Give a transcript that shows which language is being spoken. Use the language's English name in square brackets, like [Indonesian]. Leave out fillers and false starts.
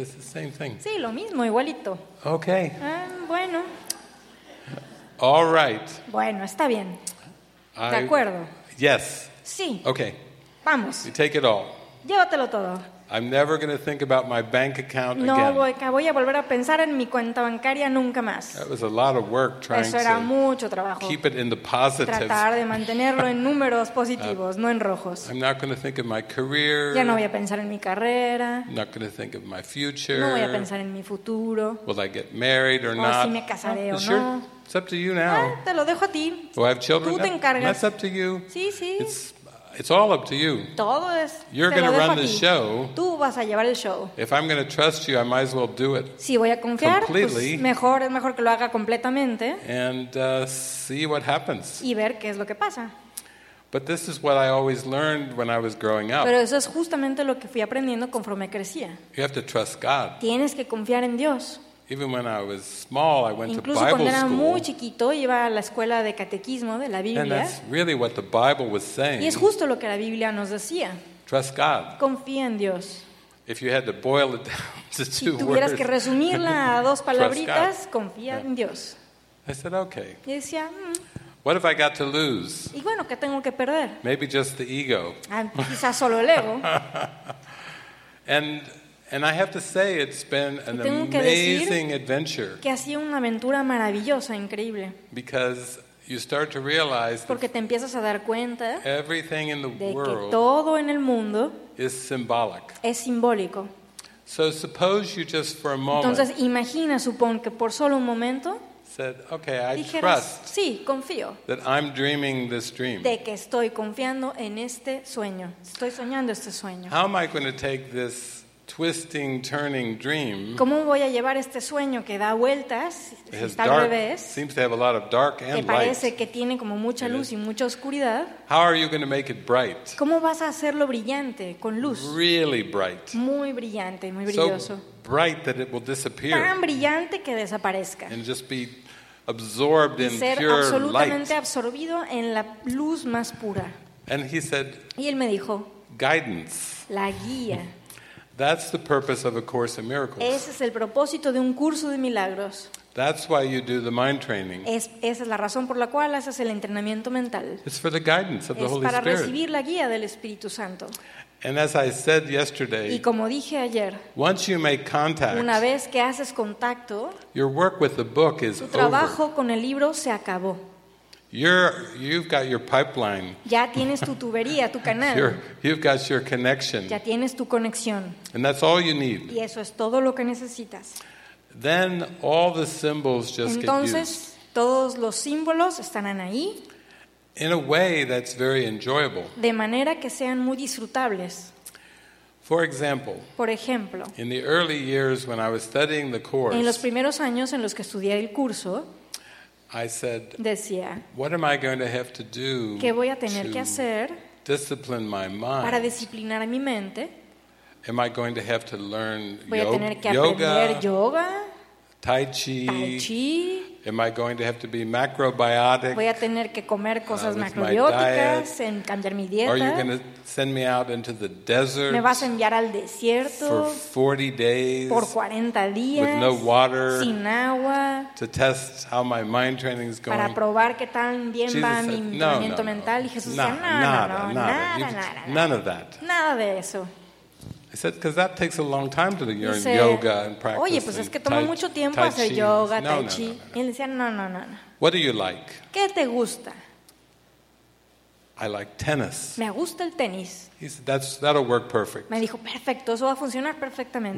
[English] It's the same thing. [Spanish] Sí, lo mismo, igualito. [English] Okay. [Spanish] Bueno. [English] All right. [Spanish] Bueno, está bien. De acuerdo. [English] Yes. [Spanish] Sí. [English] Okay. [Spanish] Vamos. [English] You take it all. [Spanish] Llévatelo todo. [English] I'm never going to think about my bank account [Spanish] no, [English] again. [Spanish] No, voy a volver a pensar en mi cuenta bancaria nunca más. [English] That was a lot of work trying [Spanish] eso era [English] to [Spanish] mucho trabajo. [English] Keep it in the positive. [Spanish] Tratar de mantenerlo en números positivos, no en rojos. [English] I'm not going to think of my career. [Spanish] Ya no voy a pensar en mi carrera. [English] I'm not going to think of my future. [Spanish] No voy a pensar en mi futuro. [English] Will I get married or [Spanish] o [English] not? [Spanish] O si me casaré oh, o no. Sure. [English] It's up to you now. [Spanish] Te lo dejo a ti. [English] Do I have children? [Spanish] Tú te encargas. [English] That's up to you. [Spanish] Sí, sí. [English] It's all up to you. [Spanish] Todo es, [English] you're going to run the show. [Spanish] Tú vas a llevar el show. [English] If I'm going to trust you, I might as well do it [Spanish] si voy a confiar, [English] completely. [Spanish] Pues mejor, es mejor que lo haga completamente. [English] And see what happens. [Spanish] Y ver qué es lo que pasa. [English] But this is what I always learned when I was growing up. [Spanish] Pero eso es justamente lo que fui aprendiendo conforme crecía. [English] You have to trust God. [Spanish] Tienes que confiar en Dios. [English] Even when I was small, I went [Spanish] incluso [English] to Bible [Spanish] cuando era [English] school, [Spanish] muy chiquito, iba a la escuela de catequismo de la Biblia. [English] And that's really what the Bible was saying. [Spanish] Y es justo lo que la Biblia nos decía. [English] Trust God. [Spanish] Confía en Dios. [English] If you had to boil it down to [Spanish] si [English] two words, [Spanish] si tuvieras que resumirla a dos palabritas, confía yeah. en Dios. [English] I said, okay. [Spanish] Y decía, [English] What have I got to lose? [Spanish] Y bueno, ¿qué tengo que perder? [English] Maybe just the ego. [Spanish] Quizás solo el ego. [English] And I have to say, it's been an amazing adventure. [Spanish] Que ha sido una aventura maravillosa, increíble. [English] Because you start to realize [Spanish] porque te empiezas a dar cuenta [English] everything in the [Spanish] de [English] world [Spanish] que todo en el mundo [English] is symbolic. [Spanish] Es simbólico. [English] So suppose you just for a moment [Spanish] entonces imagina, supón que por solo un momento [English] said, okay, I [Spanish] dijeras, [English] trust [Spanish] sí, confío [English] that I'm dreaming this dream. [Spanish] De que estoy confiando en este sueño. Estoy soñando este sueño. [English] How am I going to take this twisting, turning dream. [Spanish] ¿Cómo voy a llevar este sueño que da vueltas, está [English] dark, [Spanish] al revés? [English] Seems to have a lot of dark and [Spanish] que parece [English] light. [Spanish] Que tiene como mucha luz y mucha oscuridad. [English] How are you going to make it bright? [Spanish] ¿Cómo vas a hacerlo brillante con luz? [English] Really bright. [Spanish] Muy brillante, muy brilloso. [English] So bright that it will disappear. [Spanish] Tan brillante que desaparezca. [English] And just be absorbed in pure light. [Spanish] Y ser absolutamente absorbido en la luz más pura. [English] And he said. [Spanish] Y él me dijo. [English] Guidance. [Spanish] La guía. [English] That's the purpose of a Course in Miracles. [Spanish] Ese es el propósito de un curso de milagros. [English] That's why you do the mind training. [Spanish] Esa es la razón por la cual haces el entrenamiento mental. [English] It's for the guidance of the Holy Spirit. [Spanish] Es para recibir la guía del Espíritu Santo. [English] And as I said yesterday, [Spanish] y como dije ayer, [English] once you make contact, [Spanish] una vez que haces contacto, [English] your work with the book is over. [Spanish] Tu trabajo con el libro se acabó. [English] You've got your pipeline. [Spanish] Ya tienes tu tubería, tu canal. [English] You've got your connection. [Spanish] Ya tienes tu conexión. [English] And that's all you need. [Spanish] Y eso es todo lo que necesitas. [English] Then all the symbols just get used. [Spanish] Entonces todos los símbolos estarán ahí. [English] In a way that's very enjoyable. [Spanish] De manera que sean muy disfrutables. [English] For example. [Spanish] Por ejemplo. [English] In the early years when I was studying the course. [Spanish] En los primeros años en los que estudié el curso. [English] I said, [Spanish] decía, [English] what am I going to have to do [Spanish] ¿qué voy a tener [English] to [Spanish] que hacer [English] discipline my mind? [Spanish] Para disciplinar a mi mente? [English] Am I going to have to learn [Spanish] voy a tener que aprender yoga? [English] Tai Chi. Am I going to have to be macrobiotic? [Spanish] Voy a tener que comer cosas macrobióticas, en cambiar mi dieta. [English] Are you going to send me out into the desert? [Spanish] Me vas a enviar al desierto. [English] For 40 days. [Spanish] Por 40 días. [English] With no water. [Spanish] Sin agua. [English] To test how my mind training is going. [Spanish] Para probar qué tan bien va mi entrenamiento mental. Y Jesús dice, [English] none of that. [Spanish] Nada de eso. [English] I said, because that takes a long time to do your yoga and practice. [Spanish] Oye, pues es que toma mucho tiempo hacer yoga, tai chi. Y él decía, no. [English] What do you like? [Spanish] ¿Qué te gusta? [English] I like tennis. [Spanish] Me gusta el tenis. [English] He said, that'll work perfect. [Spanish] Me dijo, perfecto, eso va a funcionar perfectamente.